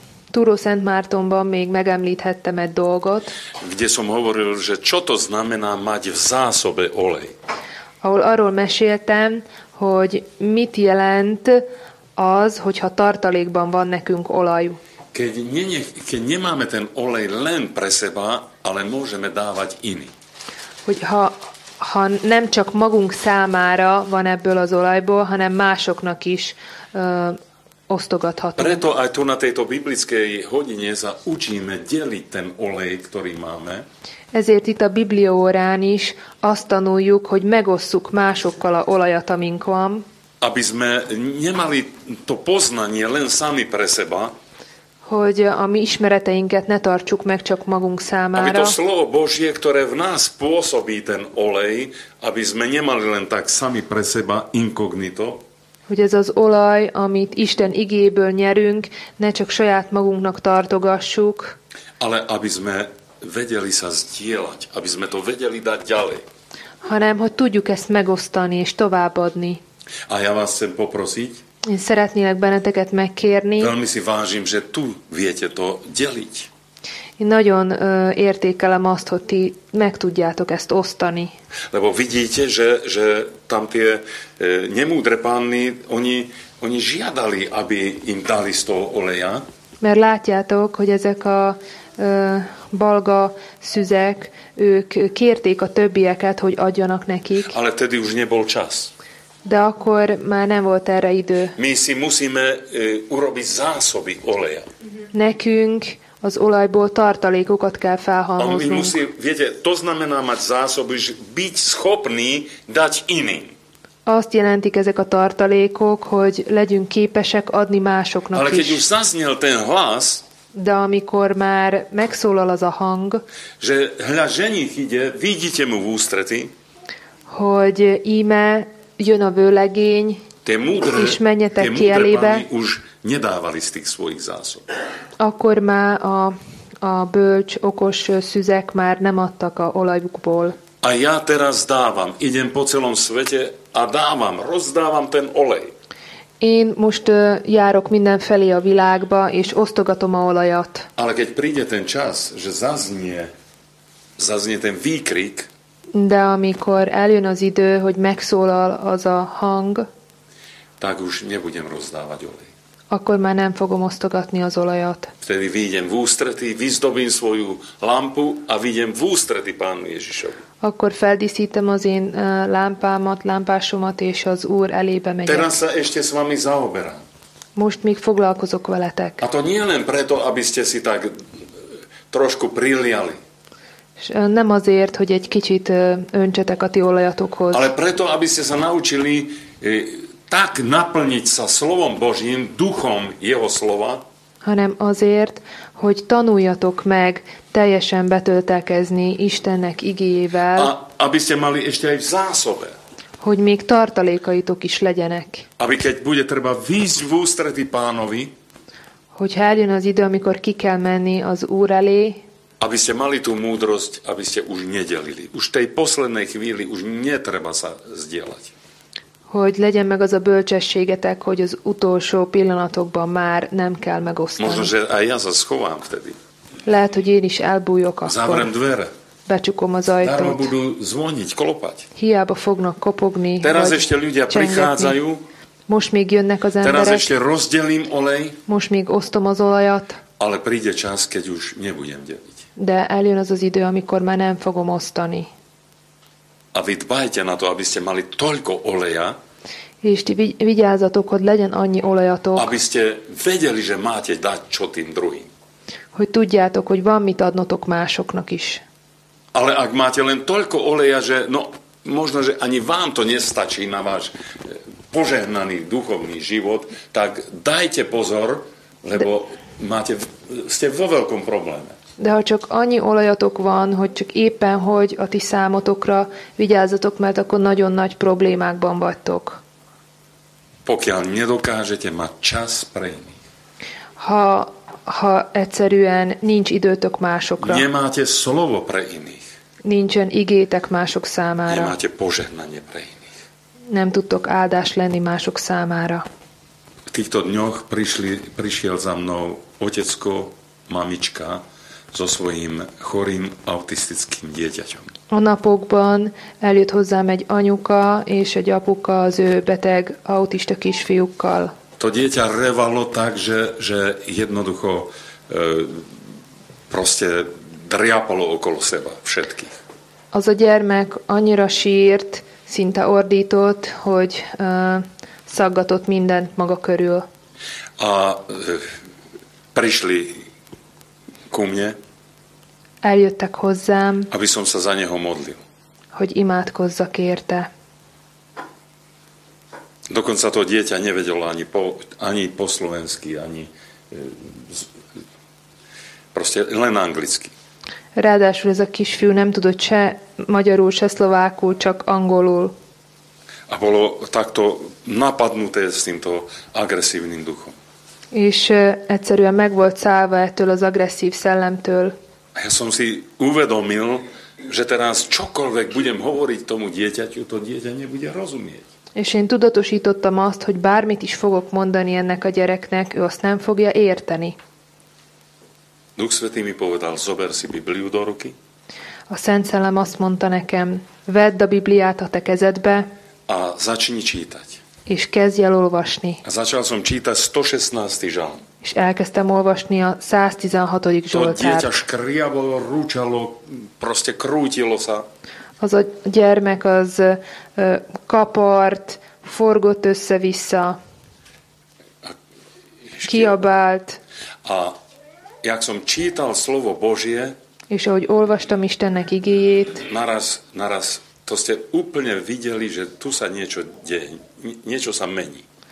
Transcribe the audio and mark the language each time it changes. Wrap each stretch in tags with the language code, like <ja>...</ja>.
<hu>Túró Szent Mártonban még megemlíthettem egy dolgot.</hu> <sk>Kde som hovoril, že čo to znamená mať v zásobe olej.</sk> <hu>Ahol arról meséltem, hogy mit jelent az, hogyha tartalékban van nekünk olaj.</hu> <sk>Keď nemáme ten olej len pre seba, ale môžeme dávať iný.</sk> <hu>Hogyha nem csak magunk számára van ebből az olajból, hanem másoknak is osztogathatunk.</hu> <sk>Preto aj tu na tejto biblickej hodine sa učíme deliť ten olej, ktorý máme.</sk> <hu>Ezért itt a Bibliaórán is azt tanuljuk, hogy megosszuk másokkal a olajat, amink van.</hu> <sk>Aby sme nemali to poznanie len sami pre seba.</sk> <hu>Hogy a mi ismereteinket ne tartsuk meg csak magunk számára.</hu> <sk>Aby to slovo Božie, ktoré v nás pôsobí ten olej, aby sme nemali len tak sami pre seba inkognito.</sk> <hu>Hogy ez az olaj, amit Isten igéből nyerünk, ne csak saját magunknak tartogassuk.</hu> <sk>Ale aby sme vedeli sa zdieľať, aby sme to vedeli dať ďalej.</sk> <hu>Hanem, hogy tudjuk ezt megosztani és továbbadni.</hu> <sk>A ja vás chcem poprosiť.</sk> <hu>Én szeretnélek benneteket megkérni.</hu> <sk>Veľmi si vážim, že tu viete to deliť.</sk> <hu>Én nagyon értékelem azt, hogy ti meg tudjátok ezt osztani.</hu> <sk>Lebo vidíte, že tam tie nemúdre panny, oni žiadali, aby im dali z toho oleja.</sk> <hu>Mert látjátok, hogy ezek a balga szüzek, ők kérték a többieket, hogy adjanak nekik.</hu> <sk>Ale tedy už nebol čas.</sk> <hu>De akkor már nem volt erre idő.</hu> <sk>My si musíme urobiť zásoby oleja.</sk> <hu>Nekünk az olajból tartalékokat kell felhalmoznunk.</hu> <sk>Ami musí, viete, to znamená mať zásoby, že byť schopný dať iným.</sk> <hu>Azt jelentik ezek a tartalékok, hogy legyünk képesek adni másoknak</hu> <sk>ale</sk> <hu>is.</hu> <sk>Ale keď už zaznel ten hlas,</sk> <hu>de amikor már megszólal az a hang,</hu> <sk>že hľa ženich ide, vidíte mu v ústrety,</sk> <hu>hogy íme jön a vőlegény, és menjetek ki elébe,</hu> <sk>už nedávali z tých svojich zásob.</sk> <hu>Akkor már a bölcs, okos szüzek már nem adtak a olajukból.</hu> <sk>A ja teraz dávam, idem po celom svete a dávam, rozdávam ten olej.</sk> <hu>Én most járok mindenfelé a világba, és osztogatom a olajat.</hu> <sk>Ale keď príde ten čas, že zaznie ten výkrik,</sk> <hu>de amikor eljön az idő, hogy megszólal az a hang,</hu> <sk>tak už nebudem rozdávať olej.</sk> <hu>Akkor már nem fogom osztogatni az olajat.</hu> <sk>Vtedy vyjdem v ústretí, vyzdobím svoju lampu a vyjdem v ústretí Pánu Ježišovi.</sk> <hu>Akkor feldíszítem az én lámpámat, lámpásomat, és az Úr elébe megyek.</hu> <sk>Teraz sa ešte s vami zaoberám.</sk> <hu>Most még foglalkozok veletek.</hu> <sk>A to nie len preto, aby ste si tak trošku priliali.</sk> <hu>Nem azért, hogy egy kicsit öntsetek a ti olajatokhoz.</hu> <sk>Ale preto, aby ste sa naučili tak naplniť sa slovom Božím, duchom jeho slova.</sk> <hu>Hanem azért, hogy tanuljatok meg teljesen betöltekezni Istennek igéjével.</hu> <sk>A aby ste mali ešte aj v zásobe.</sk> <hu>Hogy még tartalékaitok is legyenek.</hu> <sk>Aby keď bude treba výjsť v ústretí Pánovi.</sk> <hu>Hogyha eljön az idő, amikor ki kell menni az Úr elé.</hu> <sk>Aby ste mali tú múdrosť, aby ste už nedelili. Už tej poslednej chvíli už netreba sa zdieľať.</sk> <hu>Hogy legyen meg az a bölcsességetek, hogy az utolsó pillanatokban már nem kell megosztani.</hu> <sk>Možno, že aj ja sa schovám vtedy.</sk> <hu>Lehet, hogy én is elbújok akkor.</hu> <sk>Zavrem dvere.</sk> <hu>Becsukom az ajtót.</hu> <sk>Dárma budú zvoniť, kolopať.</sk> <hu>Hiába fognak kopogni.</hu> <sk>Teraz ešte ľudia</sk> <hu>csengetni.</hu> <sk>Prichádzajú.</sk> <hu>Most még jönnek az emberek.</hu> <sk>Teraz ešte rozdelím olej.</sk> <hu>Most még osztom az olajat.</hu> <sk>Ale príde čas, keď už nebudem deliť.</sk> <hu>De eljön az az idő, amikor már nem fogom osztani.</hu> <sk>A vy dbajte na to, aby ste mali toľko oleja.</sk> <hu>És ti vigyázzatok, hogy legyen annyi olajatok.</hu> <sk>Aby ste vedeli, že máte dať čo tým druhým.</sk> <hu>Hogy tudjátok, hogy van mit adnotok másoknak is.</hu> <sk>Ale ak máte len toľko oleja, že no, možno, že ani vám to nestačí na váš požehnaný duchovný život, tak dajte pozor, lebo ste vo veľkom probléme.</sk> <hu>De ha csak annyi olajatok van, hogy csak éppen hogy a ti számotokra, vigyázzatok, mert akkor nagyon nagy problémákban vagytok.</hu> <sk>Pokiaľ nedokážete mať čas pre iných.</sk> <hu>Ha egyszerűen nincs időtök másokra.</hu> <sk>Nemáte slovo pre iných.</sk> <hu>Nincsen igétek mások számára.</hu> <sk>Nemáte požehnanie pre iných.</sk> <hu>Nem tudtok áldás lenni mások számára.</hu> <sk>týchto dňoch prišiel za mnou otecko, mamička so svojím chorým autistickým dieťaťom.</sk> <hu>A napokon eljött hozzám egy anyuka és egy apuka az ő beteg autista kisfiúkkal.</hu> <sk>To dieťa revalo tak, že jednoducho proste driapalo okolo seba všetkých.</sk> <hu>Az a gyermek annyira sírt, szinte ordított, hogy szaggatott mindent maga körül.</hu> <sk>A prišli ku mne.</sk> <hu>Eljöttek hozzám.</hu> <sk>Aby som sa za neho modlil.</sk> <hu>Hogy imádkozzak érte.</hu> <sk>Dokonca to dieťa nevedelo ani po slovensky, ani proste len anglicky.</sk> <hu>Ráadásul ez a kisfiú nem tudott se magyarul, se szlovákul, csak angolul.</hu> <sk>A bolo takto napadnuté s týmto agresívnym duchom.</sk> <hu>És egyszerűen meg volt szállva ettől az agresszív szellemtől.</hu> <sk>A ja som si uvedomil, že teraz čokoľvek budem hovoriť tomu dieťaťu, to dieťa nebude rozumieť.</sk> <hu>És én tudatosítottam azt, hogy bármit is fogok mondani ennek a gyereknek, ő azt nem fogja érteni.</hu> <sk>Duch Svätý mi povedal, zober si Bibliu do ruky.</sk> <hu>A Szent Szellem azt mondta nekem, vedd a Bibliát a te kezedbe.</hu> <sk>A začni čítať.</sk> <hu>És kezdj el olvasni.</hu> <sk>A začal som čítať 116. žalm.</sk> <hu>És elkezdtem olvasni a 116. zsoltárt.</hu> <sk>To dieťa škriabolo, rúčalo, proste krútilo sa.</sk> <hu>Az a gyermek az kapart, forgott össze-vissza, kiabált.</hu> <sk>A jak som čítal slovo Božie,</sk> <hu>és ahogy olvastam Istennek igéjét,</hu> <sk>naraz to ste úplne videli, že tu sa niečo deje, niečo sa mení.</sk>